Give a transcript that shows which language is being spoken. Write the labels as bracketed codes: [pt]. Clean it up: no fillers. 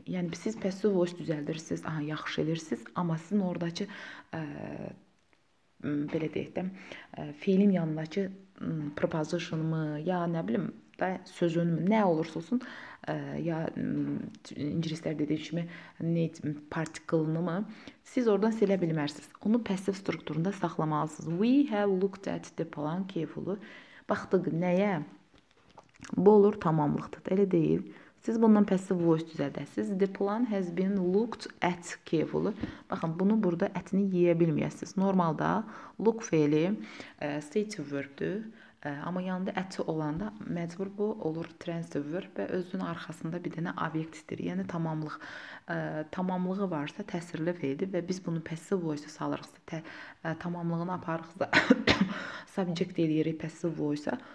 [az] Yəni, siz passive voice düzəldirsiniz, aha, yaxşı edirsiniz, amma sizin oradakı belə deyək də, fiilin yanındakı prepositionmı, ya nə bilim, da sözünmü, nə olursa olsun, ya ingilislər dediyi kimi particle-ını mı, siz oradan silə bilmərsiniz. Onu passive strukturunda saxlamalısınız. [en] We have looked at the plan carefully. [az] Baxdıq nəyə? Bu olur tamamlıqda, elə deyil. Siz bundan passive voice düzəldəsiniz. [en] The plan has been looked at carefully. [az] Baxın, bunu burada ətini yiyə bilməyəsiniz. Normalda look feili state verb-dür. Amma yanında əti olanda məcbur bu olur transfer verb və özünün arxasında bir dənə obyektdir. Yəni tamamlıq. Tamamlığı varsa təsirli feildir və biz bunu passive voice-a salırıqsa, tamamlığını aparırıqsa, subject edirik passive voice-a.